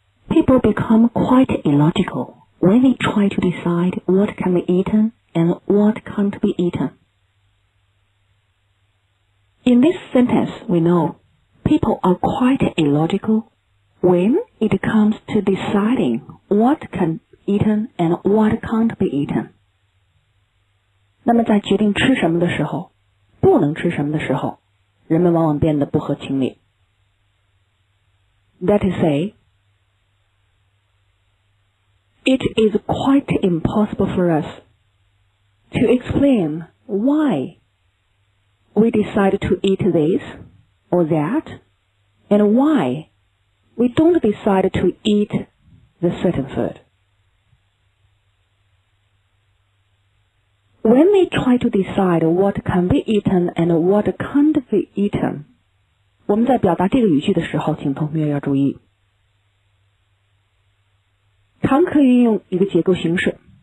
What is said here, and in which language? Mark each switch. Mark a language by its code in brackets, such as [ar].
[en] People become quite illogical when they try to decide what can be eaten and what can't be eaten. In this sentence, we know people are quite illogical when it comes to deciding what can be eaten and what can't be eaten. [zh] 那么在决定吃什么的时候不能吃什么的时候人们往往变得不合情理。 [en] That is say, it is quite impossible for us to explain whyWe decide to eat this or that, and why we don't decide to eat the certain food. When we try to decide what can be eaten and what can't be eaten, [zh] 我们在表达这个语句的时候，请同学要注意，常可以用一个结构形式。